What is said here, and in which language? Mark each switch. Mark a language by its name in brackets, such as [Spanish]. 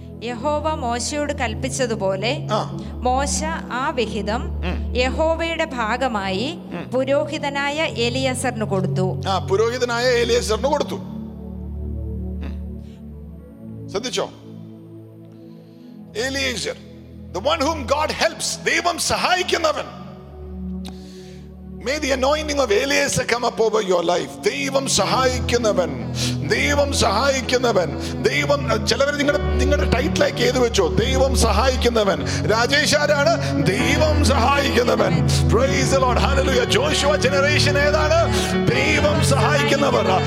[Malayalam] യഹോവ മോശയോട് കൽപ്പിച്ചതുപോലെ മോശ ആ വിഹിതം യഹോവയുടെ ഭാഗമായി പുരോഹിതനായ എലിയസറിന് കൊടുത്തു. പുരോഹിതനായ എലിയസറിന് കൊടുത്തു. ശ്രദ്ധിച്ചോ, എലിയസർ, [English] the one whom God helps, [Malayalam] ദൈവം സഹായിക്കുന്നവൻ. [English] May the anointing of Eliezer come up over your life. [Malayalam] ദൈവം സഹായിക്കുന്നവൻ, ദൈവം സഹായിക്കുന്നവൻ, ദൈവം. ചിലവർ നിങ്ങളുടെ ടൈറ്റിലേക്ക് ഏത് വെച്ചോ, ദൈവം സഹായിക്കുന്നവൻ. രാജേഷ് ആരാണ്? ദൈവം സഹായിക്കുന്നവൻ. Praise the Lord, hallelujah. Joshua generation ഏതാണ്? ദൈവം സഹായിക്കുന്നവർ.